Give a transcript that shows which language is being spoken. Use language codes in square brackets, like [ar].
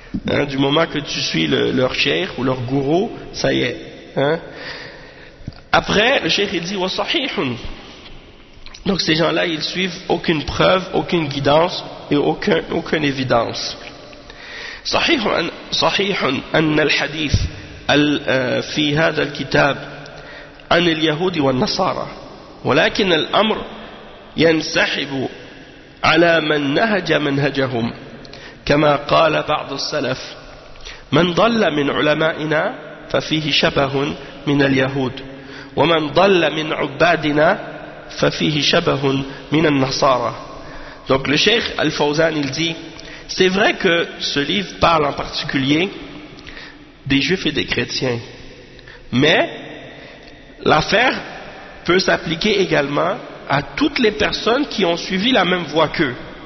[fr] Hein, du moment que tu suis leur cheikh ou leur gourou, ça y est. Hein. Après, le cheikh, il dit « وَصَحِيحٌ ». Donc ces gens-là, ils suivent aucune preuve, aucune guidance et aucune évidence. [ar] صحيح أن الحديث في هذا الكتاب عن اليهود والنصارى، ولكن الأمر ينسحب على من نهج منهجهم، كما قال بعض السلف: من ضل من علمائنا ففيه شبه من اليهود، ومن ضل من عبادنا ففيه شبه من النصارى. [fr] Donc le cheikh Al-Fawzan, il dit, c'est vrai que ce livre parle en particulier des juifs et des chrétiens, mais l'affaire peut s'appliquer également à toutes les personnes qui ont suivi la même voie qu'eux.